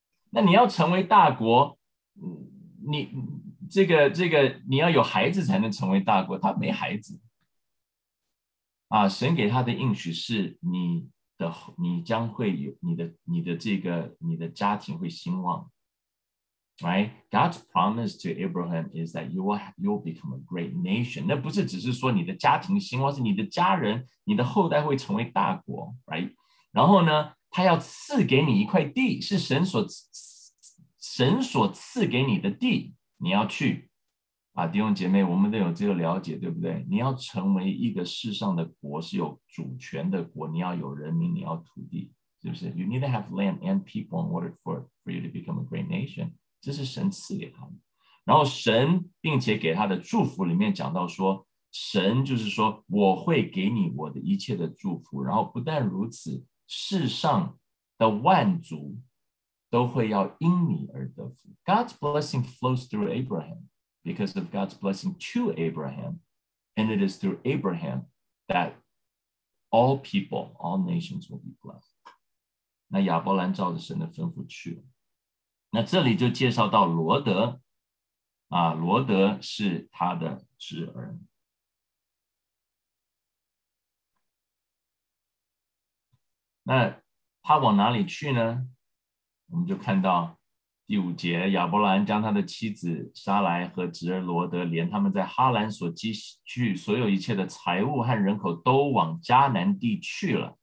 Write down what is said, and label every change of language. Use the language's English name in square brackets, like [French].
[Chinese] 那你要成为大国，你这个你要有孩子才能成为大国，他没孩子。啊，神给他的应许是你将会有你的家庭会兴旺。 [English] Right? God's promise to Abraham is that you will become a great nation. [Chinese] 那不是只是说你的家庭兴旺，是你的家人，你的后代会成为大国， [English] right? [Chinese] 然后呢，他要赐给你一块地，是神所赐给你的地，你要去。啊，弟兄姐妹，我们都有这个了解，对不对？你要成为一个世上的国，是有主权的国，你要有人民，你要土地，是不是？ [English] You need to have land and people in order for you to become a great nation. [Chinese] 这是神赐给他们。然后神并且给他的祝福里面讲到说，神就是说，我会给你我的一切的祝福，然后不但如此，世上的万族都会要因你而得福。 [English] God's blessing flows through Abraham because of God's blessing to Abraham, and it is through Abraham that all people, all nations will be blessed. [Chinese] 那亚伯兰照着神的吩咐去了。那这里就介绍到罗德，啊，罗德是他的侄儿。那他往哪里去呢？我们就看到第五节，亚伯兰将他的妻子撒来和侄儿罗德，连他们在哈兰所积蓄所有一切的财物和人口，都往迦南地去了。